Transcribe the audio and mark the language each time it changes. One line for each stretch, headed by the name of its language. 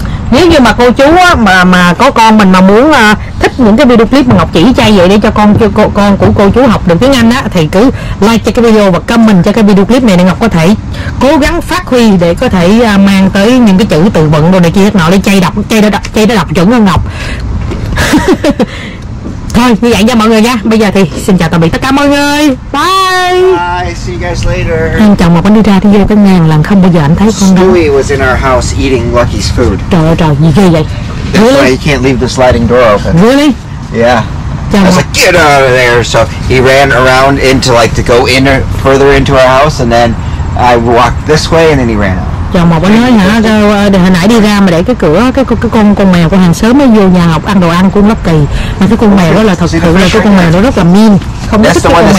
Vietnamese: Nếu như mà cô chú á, mà có con mình mà muốn thích những cái video clip mà Ngọc chỉ chay vậy để cho con của cô chú học được tiếng Anh á, thì cứ like cho cái video và comment cho cái video clip này để Ngọc có thể cố gắng phát huy để có thể mang tới những cái chữ từ vựng rồi này kia hết nọ để chay đọc chuẩn hơn Ngọc. Thôi như vậy nha mọi người nha. Bây giờ thì xin chào tạm biệt tất cả mọi người.
English: Bye. See you guys later.
Vietnamese: Anh chồng mà con đi ra thì vô cái ngàn lần không bao giờ anh thấy con đâu.
English: Stewie was in our house eating Lucky's food.
Vietnamese: Trời, gì ghê vậy?
English: That's really? Why you can't leave the sliding door open. Really? Yeah.
Vietnamese: Chồng
English: I was like, get out of there. So he ran around into like to go in or further into our house and then I walked this way and then he ran out.
Vietnamese: Chồng mà nói hả, hồi nãy đi ra mà để cái cửa, cái con mèo của hàng xóm nó vô nhà học ăn đồ ăn của Lucky. Mà cái con mèo đó là thật sự là cái con mèo nó rất là mean. Không biết thích cái con mèo đó.